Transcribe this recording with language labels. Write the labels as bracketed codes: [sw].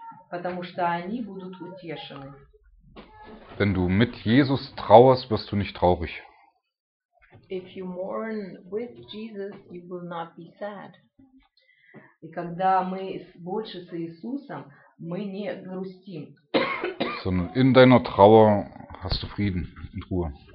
[ru] Потому что они будут утешены. [de] Wenn du mit Jesus trauerst, wirst du nicht traurig. [en] If you mourn with Jesus, you will not be sad. [ru] И когда мы больше с Иисусом, мы не грустим. [de] Sondern in deiner Trauer hast du Frieden und Ruhe.